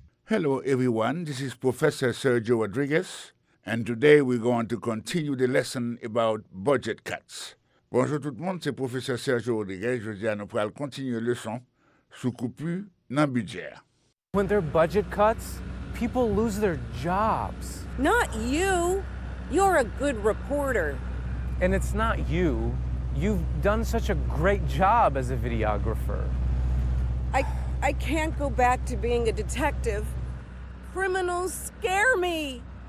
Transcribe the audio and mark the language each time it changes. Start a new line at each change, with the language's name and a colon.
English: Hello everyone, this is Professor Sergio Rodriguez, and today we're going to continue the lesson about budget cuts.
French: Bonjour tout le monde, c'est Professeur Sergio Rodriguez. Je vais nous faire continuer la leçon sur coupure dans le budget.
English: When there are budget cuts, people lose their jobs. Not you. You're a good reporter. And it's not you. You've done such a great job as a videographer. I I can't go back to being a detective. Criminals scare me.